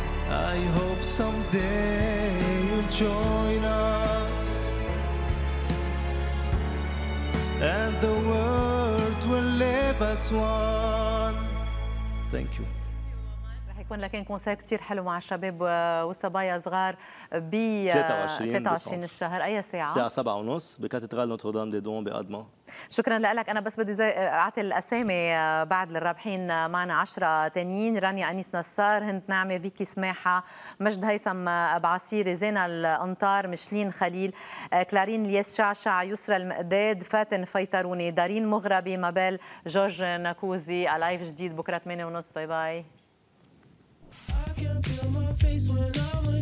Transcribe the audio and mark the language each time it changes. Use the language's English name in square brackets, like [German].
[English] I hope someday you'll join us. And the world will live as one. Thank you. [Arabic] يكون لكن كونسير كثير حلو مع الشباب والصبايا صغار ب 23 الشهر. اي ساعه؟ الساعه 7:30 بكاتدرال نوتردام دي دون بادما. شكرا لك. انا بس بدي اعطي الاسامي بعد للرابحين معنا 10 ثانيين: رانيا انيس نصار، هند نعمه، فيكي سماحه، مجد هيثم بعصيري، زينه الانطار، مشلين خليل، كلارين الياس شعشع، يسرى المقداد، فاتن فيطروني، دارين مغربي، مابيل جورج ناكوزي. الايف جديد بكره 8:30. باي باي. [English] I can feel my face when I